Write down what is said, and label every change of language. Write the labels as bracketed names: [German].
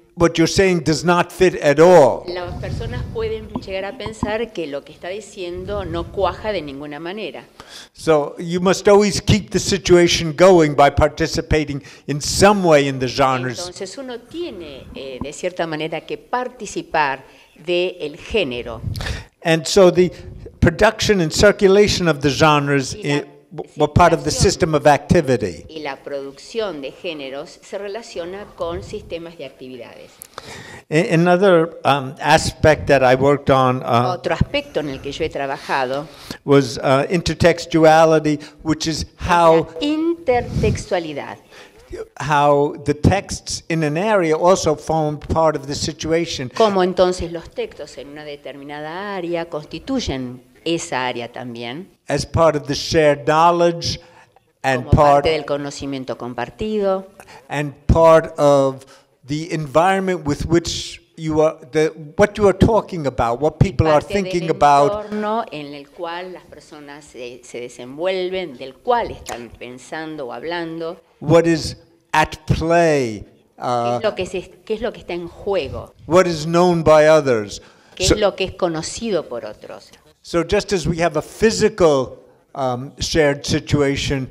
[English] what you're saying does not fit at all. [Spanish] Las personas pueden llegar a pensar que lo que está diciendo no cuaja de ninguna manera. [English] So you must always keep the situation going by participating in some way in the genres. [Spanish] Entonces uno tiene de cierta manera que participar del género. [English] And so the production and circulation of the genres were part of the system of activity. [Spanish] Y la producción de géneros se relaciona con sistemas de actividades. [English] Another aspect that I worked on [Spanish] otro aspecto en el que yo he trabajado [English] was intertextuality, which is how [Spanish] intertextualidad. [English] How the texts in an area also form part of the situation. [Spanish] ¿Cómo entonces los textos en una determinada área constituyen esa área también? [English] As part of the shared knowledge and [Spanish] como parte del conocimiento compartido. [English] And part of the environment with which you are, the, what you are talking about, what people are thinking about. [Spanish] Parte del entorno en el cual las personas se desenvuelven, del cual están pensando o hablando. [English] What is at play? [Spanish] ¿Qué es lo que está en juego? [English] What is known by others? [Spanish] ¿Qué es lo que es conocido por otros? [English] So just as we have a physical shared situation,